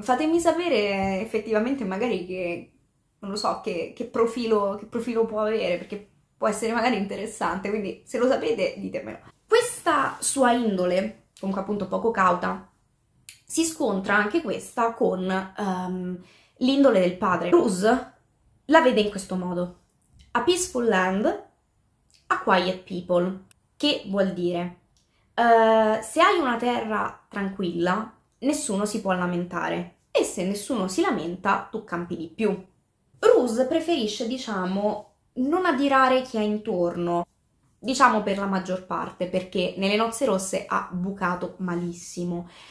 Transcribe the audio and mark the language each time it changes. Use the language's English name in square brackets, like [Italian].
[Italian] Fatemi sapere effettivamente magari che, non lo so, che profilo può avere, perché può essere magari interessante, quindi se lo sapete ditemelo. Questa sua indole, comunque appunto poco cauta, si scontra anche questa con l'indole del padre. Bruce la vede in questo modo. [English] A peaceful land, a quiet people. [Italian] Che vuol dire? Se hai una terra tranquilla, nessuno si può lamentare. E se nessuno si lamenta, tu campi di più. Bruce preferisce, diciamo, non adirare chi è intorno, diciamo per la maggior parte, perché nelle nozze rosse ha bucato malissimo.